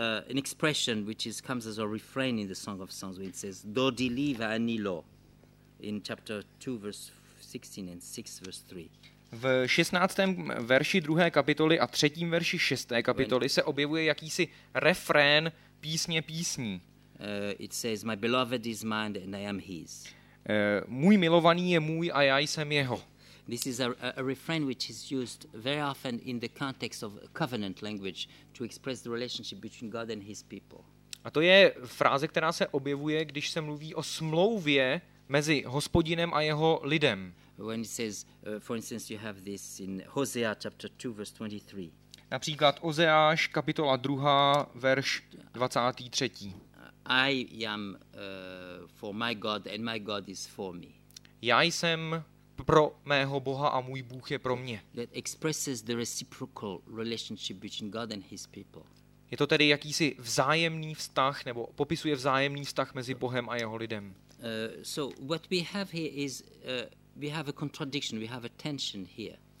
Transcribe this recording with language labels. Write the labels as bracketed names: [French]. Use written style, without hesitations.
[English] an expression which is comes as a refrain in the Song of Songs when it says do diliva anilo in chapter 2 verse 16 and 6 verse 3. [Czech] V 16. verši 2. kapitoly a 3. verši 6. kapitoly se objevuje jakýsi refrén písní. [English] It says my beloved is mine and I am his. [Czech] Můj milovaný je můj a já jsem jeho. [English] This is a refrain which is used very often in the context of covenant language to express the relationship between God and his people. [Czech] A to je fráze, která se objevuje, když se mluví o smlouvě mezi Hospodinem a jeho lidem. [English] When it says for instance you have this in Hosea chapter 2 verse 23. [Czech] Například Ozeáš kapitola 2 verš 23. [English] I am for my God and my God is for me. [Czech] Já jsem pro mého Boha a můj Bůh je pro mě. [English] That expresses the reciprocal relationship between God and his people. [Czech] Je to tedy jakýsi vzájemný vztah, nebo popisuje vzájemný vztah mezi Bohem a jeho lidem. [English] So what we have here is we have a contradiction, we have a tension here.